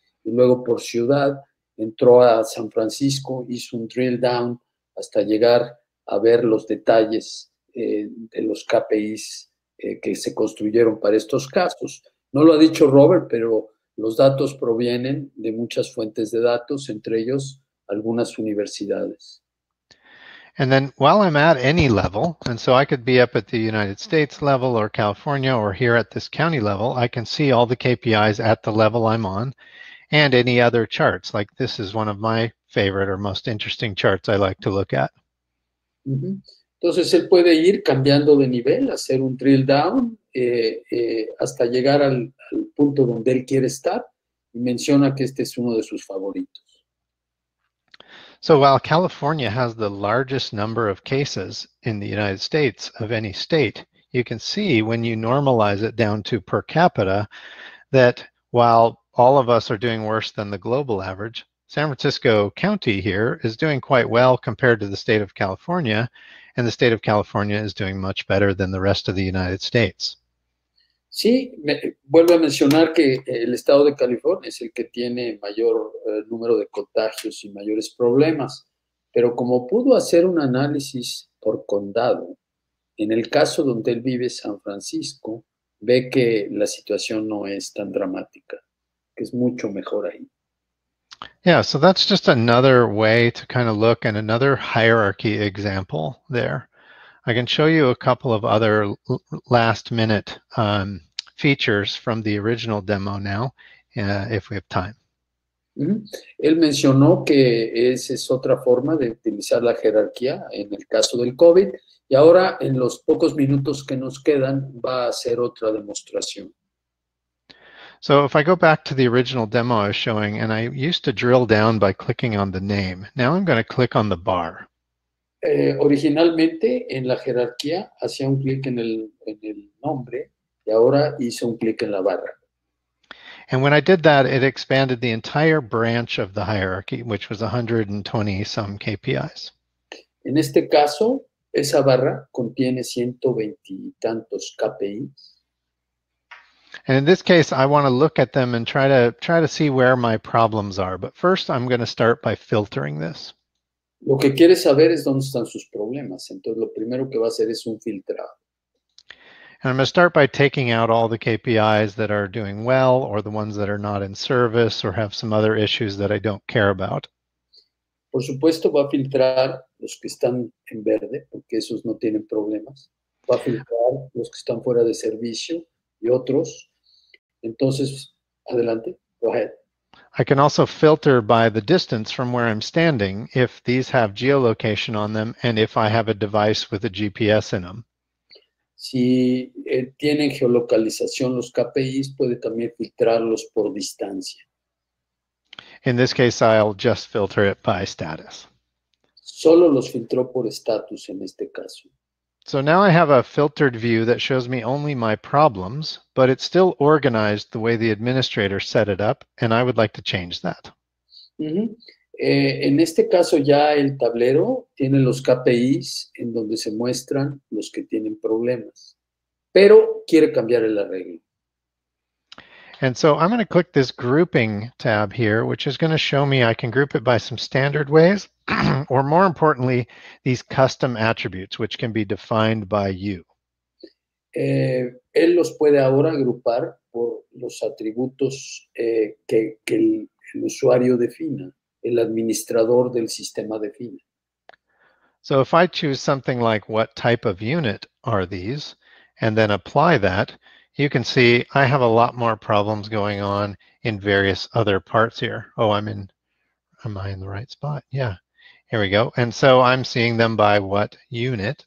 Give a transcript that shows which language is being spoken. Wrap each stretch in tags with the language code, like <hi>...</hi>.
<es>Y luego por ciudad entró a San Francisco, hizo un drill down hasta llegar a ver los detalles de los KPIs que se construyeron para estos casos. No lo ha dicho Robert, pero los datos provienen de muchas fuentes de datos, entre ellos algunas universidades.</es> <en>And then while I'm at any level, and so I could be up at the United States level or California or here at this county level, I can see all the KPIs at the level I'm on and any other charts. Like this is one of my favorite or most interesting charts I like to look at. Mm-hmm.</en> <es>Entonces, él puede ir cambiando de nivel, hacer un drill down hasta llegar al punto donde él quiere estar. Y menciona que este es uno de sus favoritos.</es> <en>So, while California has the largest number of cases in the United States of any state, you can see when you normalize it down to per capita that while all of us are doing worse than the global average, San Francisco County here is doing quite well compared to the state of California. And the state of California is doing much better than the rest of the United States.</en> <es>Sí, vuelvo a mencionar que el estado de California es el que tiene mayor número de contagios y mayores problemas. Pero como pudo hacer un análisis por condado, en el caso donde él vive, San Francisco, ve que la situación no es tan dramática, que es mucho mejor ahí.</es> <en>Yeah, so that's just another way to kind of look and another hierarchy example there. I can show you a couple of other last minute features from the original demo now, if we have time. Mm-hmm.</en> <es>Él mencionó que esa es otra forma de utilizar la jerarquía en el caso del COVID. Y ahora, en los pocos minutos que nos quedan, va a hacer otra demostración.</es> <en>So if I go back to the original demo I was showing, and I used to drill down by clicking on the name, now I'm going to click on the bar.</en> <es>Originalmente, en la jerarquía, hacía un clic en el nombre, y ahora hice un clic en la barra.</es> <en>And when I did that, it expanded the entire branch of the hierarchy, which was 120-some KPIs.</en> <es>En este caso, Esa barra contiene 120 y tantos KPIs.</es> <en>And in this case, I want to look at them and try to see where my problems are. But first, I'm going to start by filtering this.</en> <es>Lo que quieres saber es dónde están sus problemas. Entonces, lo primero que va a hacer es un filtrado.</es> <en>And I'm going to start by taking out all the KPIs that are doing well or the ones that are not in service or have some other issues that I don't care about.</en> <es>Por supuesto, va a filtrar los que están en verde porque esos no tienen problemas. Va a filtrar los que están fuera de servicio y otros. Entonces, adelante.</es> <en>Go ahead. I can also filter by the distance from where I'm standing if these have geolocation on them and if I have a device with a GPS in them.</en> <es>Si tienen geolocalización los KPIs, puede también filtrarlos por distancia.</es> <en>In this case, I'll just filter it by status.</en> <es>Solo los filtró por status en este caso.</es> <en>So now I have a filtered view that shows me only my problems, but it's still organized the way the administrator set it up, and I would like to change that. Mm-hmm.</en> <es>En este caso ya el tablero tiene los KPIs en donde se muestran los que tienen problemas, pero quiere cambiar el arreglo.</es> <en>And so I'm going to click this grouping tab here, which is going to show me I can group it by some standard ways, or more importantly, these custom attributes, which can be defined by you.</en> <es>Él los puede ahora agrupar por los atributos que el usuario defina, el administrador del sistema defina.</es> <en>So if I choose something like what type of unit are these, and then apply that, you can see I have a lot more problems going on in various other parts here. Oh, am I in the right spot? Yeah, here we go. And so I'm seeing them by what unit.</en>